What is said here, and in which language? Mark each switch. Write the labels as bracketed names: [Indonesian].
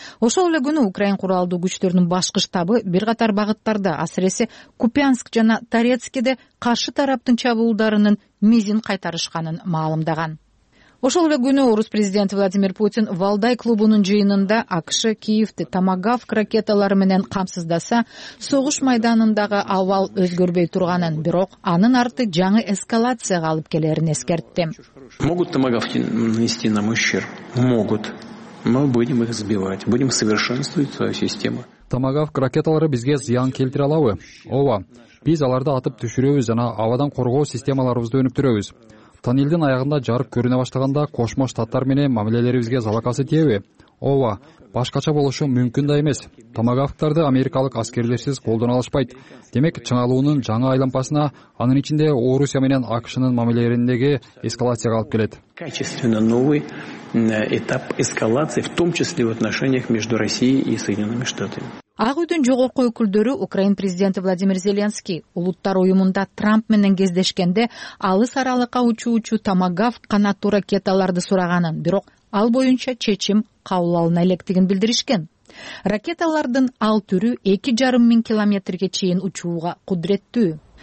[Kyrgyz] Ошол эле күнү Украин куралдуу күчтөрүнүн башкы штабы бир катар багыттарда, асыресе Купянск жана Торецкиде каршы тараптын чабуулдарынын мизин кайтарышканын маалымдаган. Ошол эле күнү орус президенти Владимир Путин Валдай клубунун жыйынында АКШ Киевти Томагавк ракеталары менен камсыздаса, согуш майданындагы абал өзгөрбөй турганын, бирок анын арты жаңы эскалацияга алып келерин эскертти. [Russian] Могут Томагавки нанести нам ущерб? Могут. Мы будем их сбивать, будем совершенствовать свою систему. [Kyrgyz] Томагавк ракеталары бизге зыян келтире алабы? Ооба. Биз аларды атып түшүрөбүз жана абадан коргоо системаларыбызды өнүктүрөбүз. Тоннелдин аягында жарык көрүнө баштаганда Кошмо Штаттар менен мамилелерибизге залакасы тиеби? Ооба, башкача болушу мүмкүн да эмес. Томагавктарды америкалык аскерлерсиз колдоно алышпайт. Демек, чыңалуунун жаңы айлампасына анын ичинде Орусия менен АКШнын мамилелериндеги эскалацияга алып келет. [Russian] Качественно новый этап эскалации, в том числе в отношениях между Россией и Соединёнными Штатами. [Kyrgyz] Ак Үйдүн жогорку өкүлдөрү Украин президенти Владимир Зеленский улуттар уюмунда Трамп менен кездешкенде алыс аралыкка учуучу Томагавк канаттуу ракеталарды сураганын, бирок ал боюнча чечим кабыл алына электигин билдиришкен. Ракеталардын ал түрү 2,5 километрге чейин учууга кудуреттүү.